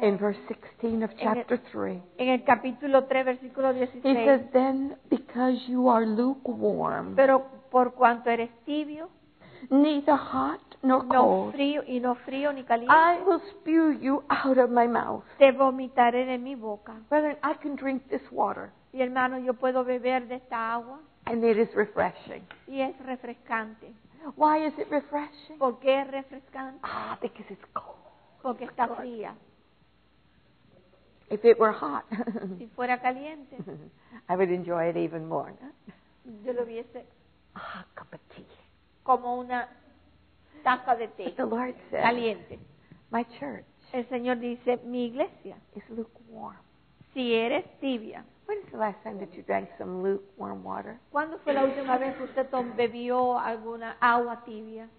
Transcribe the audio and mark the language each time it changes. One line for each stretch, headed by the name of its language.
English: In verse 16 of chapter 3.
Spanish: En el capítulo 3, versículo 16.
English: He says, then because you are lukewarm.
Spanish: Pero por cuanto eres tibio.
English: Neither hot nor cold.
Spanish: No frío y no frío ni caliente.
English: I will spew you out of my mouth.
Spanish: Te vomitaré de mi boca.
English: Brethren, I can drink this water.
Spanish: Y hermano, yo puedo beber de esta agua.
English: And it is refreshing.
Spanish: Y es refrescante.
English: Why is it refreshing?
Spanish: ¿Por qué es refrescante?
English: Ah, because it's cold.
Spanish: Porque está fría.
English: If it were hot,
Spanish: si fuera caliente,
English: I would enjoy it even more.
Spanish: Yo lo viese
English: cup of tea.
Spanish: Como una taza de té.
English: But the Lord said,
Spanish: caliente.
English: My church.
Spanish: El Señor dice, mi iglesia.
English: Is lukewarm.
Spanish: Si eres tibia.
English: When is the last time that you drank some lukewarm water?
Spanish: ¿Cuándo fue la última vez que usted bebió alguna agua tibia?